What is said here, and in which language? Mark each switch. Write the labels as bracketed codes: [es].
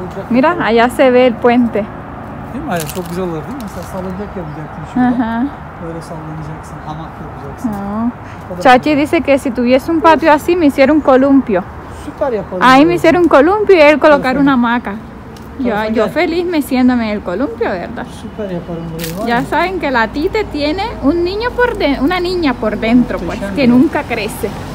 [es] Mira, allá se ve el puente. [tr] Değil mi? Ay, çok güzel olur, değil mi? Mesela sallanacak ya bilecektim şurada. Böyle sallanacaksın, hamak yapacaksın. [es] Chachi dice que si tuviese un patio así, me hiciera un columpio. [tr] Süper yaparım. [es] Ahí me hiciera un columpio y él colocar una hamaca. Yo feliz meciéndome en el columpio, ¿verdad? [tr] Súper yaparım. [es] Ya saben que la Tite tiene un niño por dentro, una niña por dentro, pues, que nunca crece.